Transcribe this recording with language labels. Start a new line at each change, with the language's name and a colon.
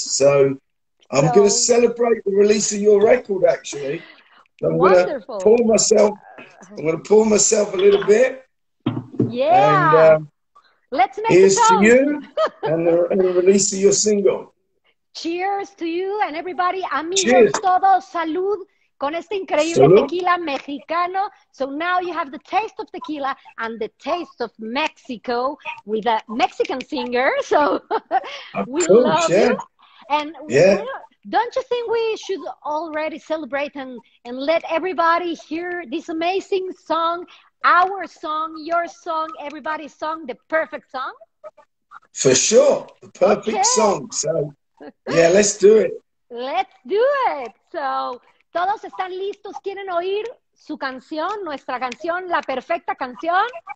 English: So I'm going to celebrate the release of your record, actually. I'm going to pour myself a little bit. Yeah. And let's make here's a toast. To you and the release of your single. Cheers to you and everybody.
Spanish: Amigos todos, salud con este increíble salud. Tequila mexicano.
English: So now you have the taste of tequila and the taste of Mexico with a Mexican singer. So we course, love yeah. you. And yeah. don't you think we should already celebrate and let everybody hear this amazing song, our song, your song, everybody's song, the perfect song? For sure, the perfect song. So. Yeah, let's do it. Let's do it.
Spanish: So, todos están listos, quieren oír su canción, nuestra canción, la perfecta canción.